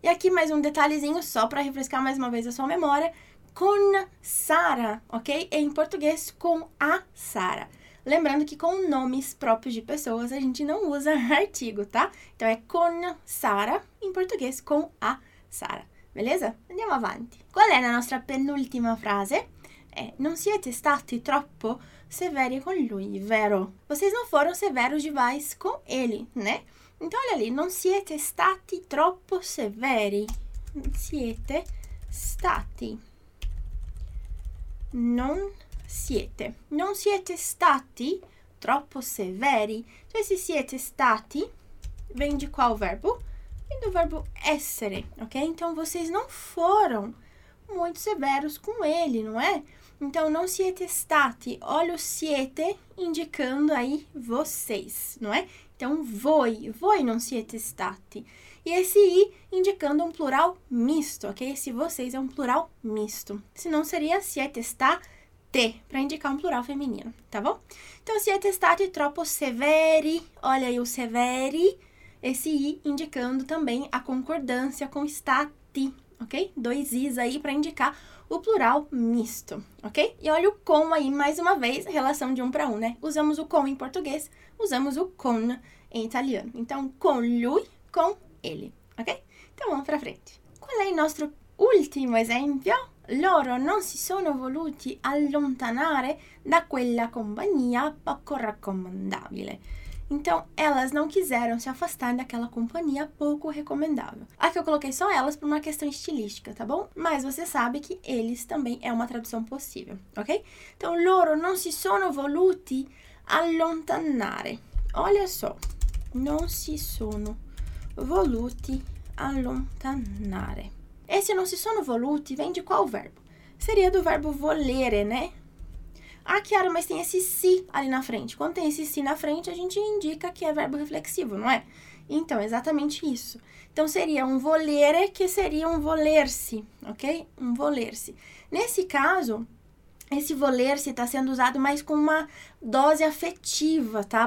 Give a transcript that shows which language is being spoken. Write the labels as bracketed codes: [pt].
[pt] E aqui mais um detalhezinho só para refrescar mais uma vez a sua memória. Con Sara, ok? Em português, com a Sara. Lembrando que com nomes próprios de pessoas a gente não usa artigo, tá? Então é con Sara, em português, com a Sara. [it] Beleza? Andiamo avanti. Qual è la nostra penultima frase? È: non siete stati troppo severi con lui, vero? [pt] Vocês não foram severos demais com ele, né? Então olha ali: [it] non siete stati troppo severi. Non siete stati. Non siete. Non siete stati troppo severi. [pt] Cioè, se siete stati, vem de qual verbo? Do verbo essere, ok? Então vocês não foram muito severos com ele, não é? Então [it] non siete stati, [pt] olha o siete indicando aí vocês, não é? Então [it] voi non siete stati. [pt] E esse i indicando um plural misto, ok? Esse vocês é um plural misto. Senão seria [it] siete state, [pt] para indicar um plural feminino, tá bom? Então [it] siete stati troppo severi, [pt] olha aí o severi. Esse i indicando também a concordância com stati, ok? Dois i's aí para indicar o plural misto, ok? E olha o com aí mais uma vez, relação de um para um, né? Usamos o com em português, usamos o con em italiano. Então, con lui, con ele, ok? Então, vamos para frente. Qual é o nosso último exemplo? [it] loro non si sono voluti allontanare da quella compagnia poco raccomandabile. [pt] Então, elas não quiseram se afastar daquela companhia pouco recomendável. Aqui eu coloquei só elas por uma questão estilística, tá bom? Mas você sabe que eles também é uma tradução possível, ok? Então, [it] loro non si sono voluti allontanare. [pt] Olha só. [it] Non si sono voluti allontanare. [pt] Esse non si sono voluti vem de qual verbo? Seria do verbo volere, né? Ah, Chiara, mas tem esse si ali na frente. Quando tem esse si na frente, a gente indica que é verbo reflexivo, não é? Então, exatamente isso. Então, seria um volere, que seria um voler-se, ok? Um voler-se. Nesse caso, esse voler-se está sendo usado mais com uma dose afetiva, tá?